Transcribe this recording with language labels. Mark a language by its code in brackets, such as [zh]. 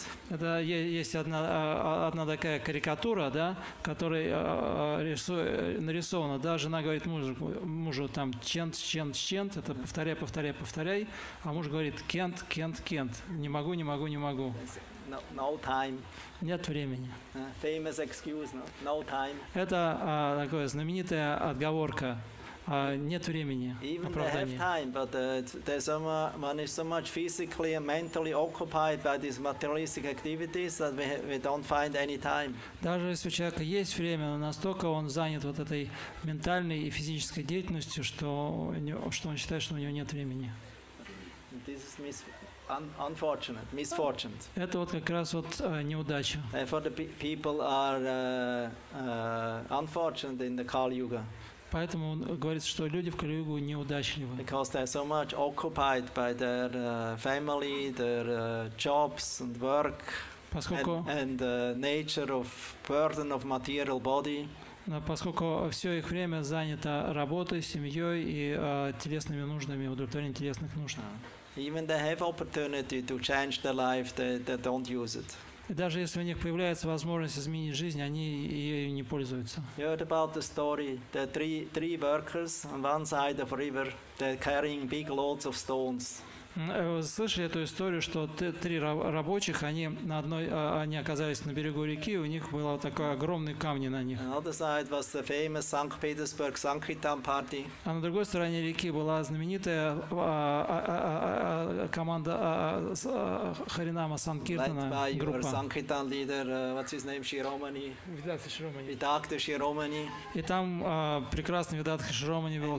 [ru] Это есть одна такая карикатура, да, которая нарисована, да, жена говорит мужу там chant, это повторяй, а муж говорит can't, не могу. [en] No time. [ru] Нет времени. [en] Famous excuse, no time. [ru] Это такая знаменитая отговорка. Нет времени. [en] Even they have time, but one is so much physically and mentally occupied by these materialistic activities that we don't find any time. [ru] Даже если у человека есть время, но настолько он занят вот этой ментальной и физической деятельностью, что он считает, что у него нет времени. [en] This is unfortunate, misfortune. [ru] Это вот как раз вот неудача. [en] Therefore, the people are unfortunate in the Kali Yuga. [ru] Поэтому говорится, что люди в Кали-Югу неудачливы. [en] Because they are so much occupied by their family, their jobs and work, and nature of burden of material body. [ru] Поскольку все их время занято работой, семьей и телесными нуждами, удовлетворением телесных нужд. [en] Even they have opportunity to change their life, they don't use it. [ru] И даже если у них появляется возможность изменить жизнь, они ею не пользуются. [en] You heard about the story. There are three workers on one side of a river. They're carrying big loads of stones. [ru] Слышали эту историю, что три рабочих, они оказались на берегу реки, у них было такое огромные камни на них. [en] Another side was the famous Saint Petersburg Sankirtan party. [ru] А на другой стороне реки была знаменитая команда Харинама Санкиртана группа. [en] Led by Sankirtan leader, what's his name, Shiromani. Vidakta Shiromani. [ru] И там прекрасный Vidakta Shiromani был